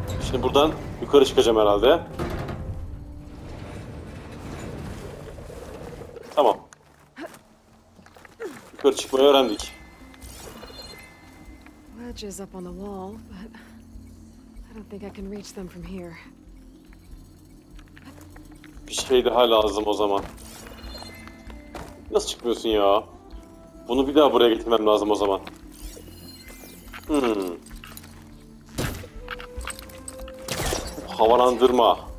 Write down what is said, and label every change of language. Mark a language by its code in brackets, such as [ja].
[tr] Şimdi buradan yukarı çıkacağım herhalde. Tamam. Yukarı çıkmayı öğrendik. [en] Ledges up on the wall, but I don't think I can reach them from here. [tr] Bir şey daha lazım o zaman. Nasıl çıkmıyorsun ya? Bunu bir daha buraya getirmem lazım o zaman. Havalandırma.